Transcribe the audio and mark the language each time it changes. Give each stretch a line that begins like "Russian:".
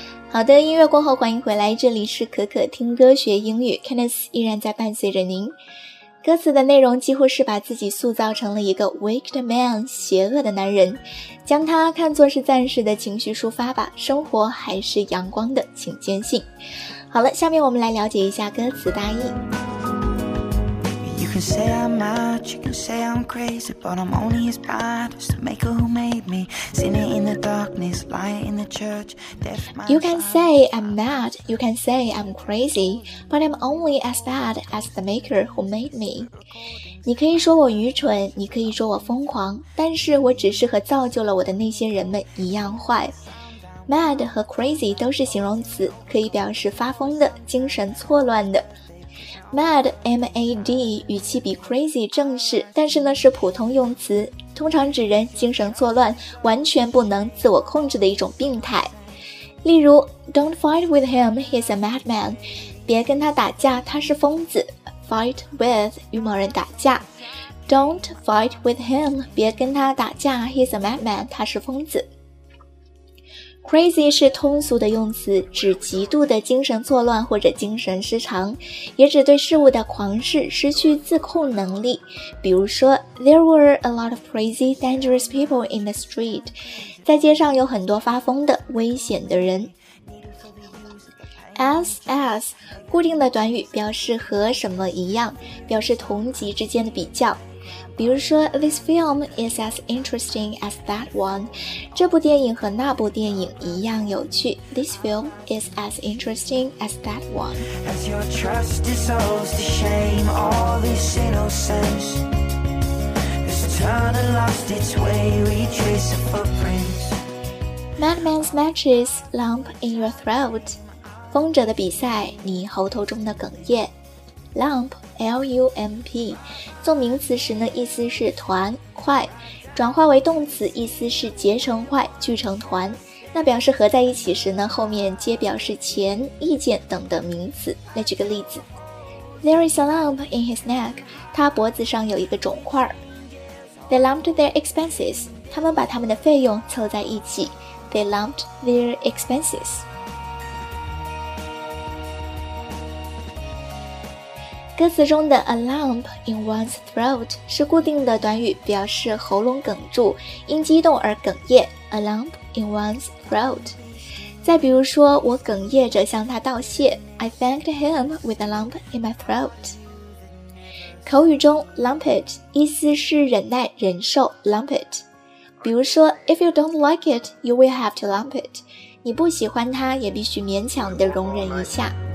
Chinese: 好的，音乐过后欢迎回来，这里是可可听歌学英语， Kenneth 依然在伴随着您。歌词的内容几乎是把自己塑造成了一个 wicked man， 邪恶的男人，将他看作是暂时的情绪抒发吧，生活还是阳光的，请坚信。好了，下面我们来了解一下歌词大意。
English: You can say I'm mad, you can say I'm crazy, but I'm only as bad as the maker who made me. Sinning in the darkness, lying in the church. You can say I'm mad, you can say I'm crazy, but I'm only as bad as the maker who made me.
Chinese: 你可以说我愚蠢，你可以说我疯狂，但是我只是和造就了我的那些人们一样坏。 Mad 和 crazy 都是形容词，可以表示发疯的，精神错乱的。 Mad, M-A-D, 语气比 crazy 正式，但是呢是普通用词，通常指人精神错乱，完全不能自我控制的一种病态。例如
English: Don't fight with him, he's a madman.
Chinese: 别跟他打架，他是疯子。 Fight with, 与某人打架。
English: Don't fight with him,
Chinese: 别跟他打架，
English: he's a madman,
Chinese: 他是疯子。 Crazy 是通俗的用词，指极度的精神错乱或者精神失常，也指对事物的狂视，失去自控能力。比如说
English: There were a lot of crazy, dangerous people in the street.
Chinese: 在街上有很多发疯的、危险的人。As, 固定的短语表示和什么一样，表示同级之间的比较。比如说
English: This film is as interesting as that one.
Chinese: 这部电影和那部电影一样有趣。
English: This film is as interesting as that one. As your trust dissolves to shame, all this innocence has turned and lost its way, retrace of footprints. Madman's matches, lump in your throat.
Chinese: 疯者的比赛，你喉头中的哽咽。Lump, L-U-M-P, 做名词时呢，意思是团、块，转化为动词，意思是结成块、聚成团。那表示合在一起时呢，后面皆表示钱、意见等的名词。来举个例子 ，
English: There is a lump in his neck,
Chinese: 他脖子上有一个肿块。
English: They lumped their expenses,
Chinese: 他们把他们的费用凑在一起。
English: They lumped their expenses.
Chinese: 歌词中的 a lump in one's throat 是固定的短语，表示喉咙哽住，因激动而哽咽。
English: A lump in one's throat。
Chinese: 再比如说，我哽咽着向他道谢。
English: I thanked him with a lump in my throat。
Chinese: 口语中 lump it 意思是忍耐忍受， lump it。比如说
English: If you don't like it, you will have to lump it。
Chinese: 你不喜欢它，也必须勉强地容忍一下。